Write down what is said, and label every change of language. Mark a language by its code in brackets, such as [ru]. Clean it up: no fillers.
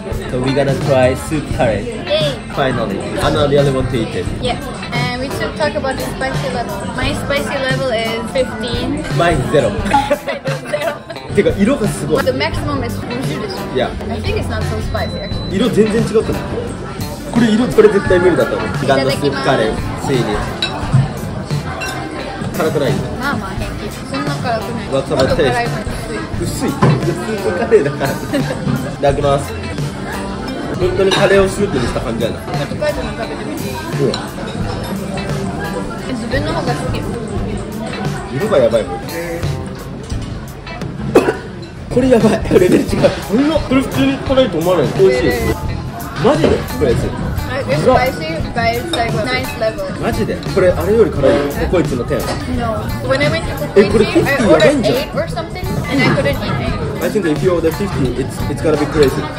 [en] So we're gonna try soup curry. Yay! Finally. Anna really want to eat it. Yeah. And we should talk about the spicy level. My spicy level is 15. Mine's zero. Mine is zero. But the maximum is 50. Yeah. I think it's not so spicy actually. [ja] 色全然違ったの。これ絶対無理だったの。ピザのスープカレー、ついに。辛くない? まあまあ、平気。そんな辛くない。もっと辛いのに薄い。スープカレーだから。いただきます。本当にカレーをスープにした感じやな。ちょっと帰っても食べてみていい? うん。自分の方が好き。色がやばいもん。これやばい。レベル違う。こんな、これ普通に辛いと思わない。美味しい。マジで?これやつ。 [en] It's spicy, but it's like a nice level. [ja] マジで?これあれより辛いの?ココイチの10。 [en] No. When I went to ココイチ、I ordered 8 or something, and I couldn't eat 8. I think if you order 50, it's gonna be crazy.